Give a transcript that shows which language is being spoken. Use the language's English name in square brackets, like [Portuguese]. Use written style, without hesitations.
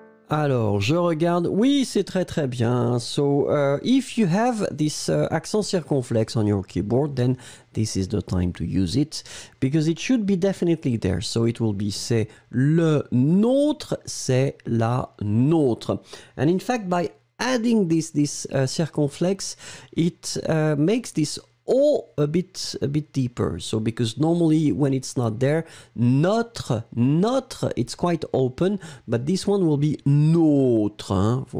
[French] Alors, je regarde. Oui, c'est très très bien. [English] So, if you have this accent circonflexe on your keyboard, then this is the time to use it, because it should be definitely there. So it will be [French] c'est le nôtre, c'est la nôtre. [English] And in fact, by adding this circonflexe, it makes this O a bit deeper. So because normally when it's not there, notre, it's quite open, but this one will be notre. Hein?